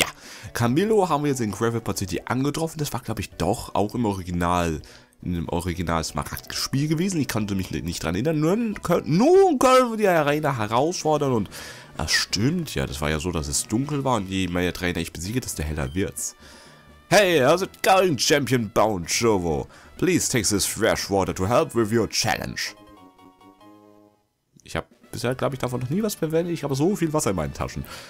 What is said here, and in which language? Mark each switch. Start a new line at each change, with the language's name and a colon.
German: Ja, Camillo haben wir jetzt in Gravel Pod City angetroffen. Das war, glaube ich, doch auch im Original, in dem Original Smaragd-Spiel gewesen. Ich konnte mich nicht dran erinnern. Nun können wir die Arena herausfordern und das stimmt ja. Das war ja so, dass es dunkel war und je mehr Trainer ich besiege, desto heller wird's.
English: Hey, how's it going, Champion Bound Shovo? Please take this fresh water to help with your challenge.
German: Ich habe bisher, glaube ich, davon noch nie was verwendet. Ich habe so viel Wasser in meinen Taschen.